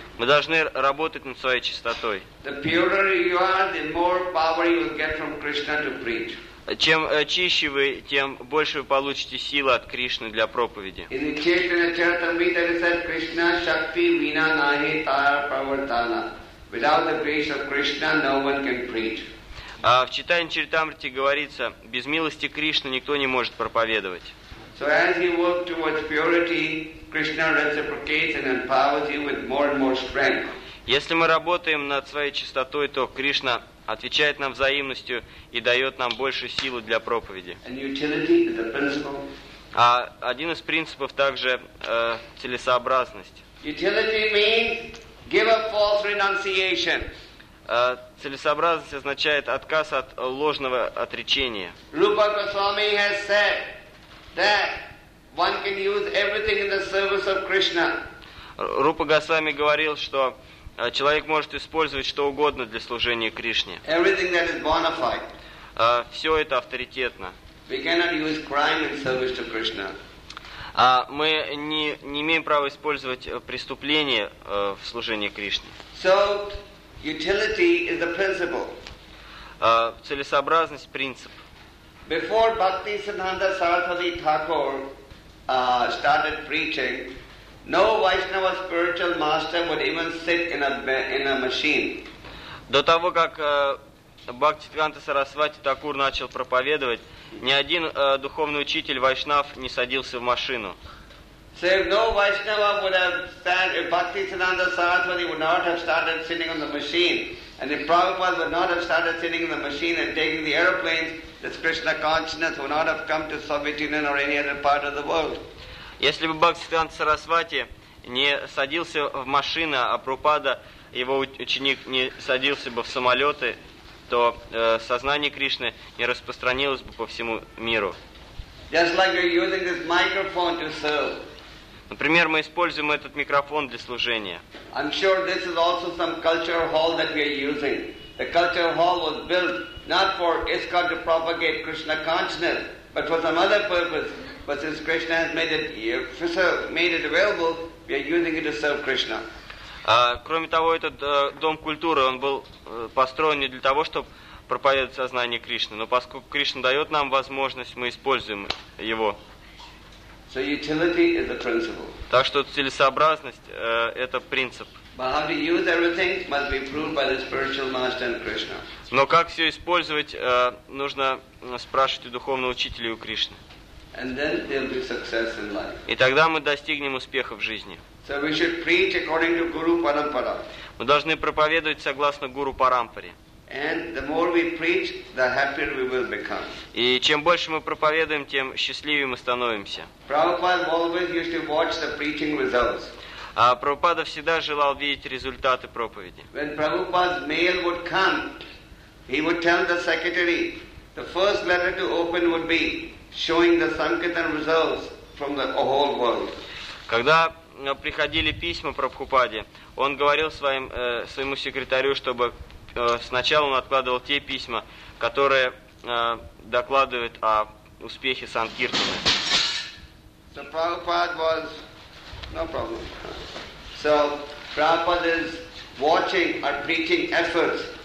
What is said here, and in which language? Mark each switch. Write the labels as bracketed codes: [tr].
[ru] Мы должны работать над своей чистотой. [en] The purer you are, the more power you will get from Krishna to preach. [ru] Чем чище вы, тем больше вы получите силы от Кришны для проповеди. [en] In the Chaitanya Charitamrita it said, [bn] Krishna Shakti Vina Nahi Tara Pravartana. [en] Without the grace of Krishna, no one can preach. [ru] В Чайтанья Чаритамрите говорится, без милости Кришны никто не может проповедовать. [en] So as you work towards purity, Krishna reciprocates and empowers you with more and more strength. [ru] Если мы работаем над своей чистотой, то Кришна отвечает нам взаимностью и дает нам больше силы для проповеди. [en] And utility is a principle. [ru] А один из принципов также целесообразность. [en] Utility means give up false renunciation. [ru] Целесообразность означает отказ от ложного отречения. [en] Rupa Goswami has said that one can use everything in the service of Krishna. [ru] Рупа Госвами говорил, что человек может использовать что угодно для служения Кришне. [en] Everything that is bona fide. [ru] Все это авторитетно. [en] We cannot use crime in service to Krishna. [ru] Мы не имеем права использовать преступление в служении Кришне. [en] So, utility is the principle. [ru] Целесообразность – принцип. [en] Before Bhakti Siddhanta Saraswati Thakur started preaching, no Vaishnava spiritual master would even sit in a machine. [ru] До того как Бхакти Сиддханта Сарасвати Такур начал проповедовать, ни один духовный учитель вайшнав не садился в машину. [en] So if no Vaishnava would have sat, if Bhakti Siddhanta Saraswati would not have started sitting on the machine, and if Prabhupada would not have started sitting in the machine and taking the aeroplanes, this Krishna consciousness would not have come to Soviet Union or any other part of the world. [ru] Если бы Бхакти Сиддханта Сарасвати не садился в машину, а Прабхупада, его ученик, не садился бы в самолеты, то сознание Кришны не распространилось бы по всему миру. [en] Just like you're using this microphone to serve. [ru] Например, мы используем этот микрофон для служения. [en] I'm sure this is also some cultural hall that we are using. The cultural hall was built not for ISKCON to propagate Krishna consciousness, but for some other purpose. But since Krishna has made it available, we are using it to serve Krishna. [ru] Кроме того, этот дом культуры, он был построен не для того, чтобы проповедовать сознание Кришны, но поскольку Кришна дает нам возможность, мы используем его. [en] So utility is the principle. [ru] Так что целесообразность это принцип. [en] But how to use everything must be proved by the spiritual master and Krishna. [ru] Но как все использовать нужно спрашивать у духовного учителя и у Кришны. [en] And then there'll be success in life. [ru] И тогда мы достигнем успеха в жизни. [en] So we should preach according to Guru Parampara. [ru] Мы должны проповедовать согласно Гуру Парампаре. [en] And the more we preach, the happier we will become. [ru] И чем больше мы проповедуем, тем счастливее мы становимся. [en] Prabhupada always used to watch the preaching results. [ru] А Прабхупада всегда желал видеть результаты проповеди. [en] When Prabhupada's mail would come, he would tell the secretary, the first letter to open would be showing the Sankirtan results from the whole world. [ru] Когда приходили письма Прабхупаде, он говорил своему секретарю, чтобы сначала он откладывал те письма, которые докладывают о успехе Санкиртана. [en] So Prabhupada was no problem. So Prabhupada is watching our preaching efforts.